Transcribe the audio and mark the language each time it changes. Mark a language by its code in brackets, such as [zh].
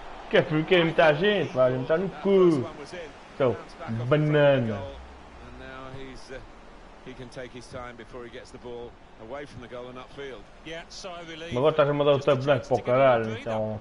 [pt] Que é porque é muita gente, vai juntar no cu. Então, banana. [en] And now he's he can take his time before he gets the ball away from the goal and upfield. Yeah, so I believe. [pt] Mas agora estás a mandar o teu boneco para o caralho, então.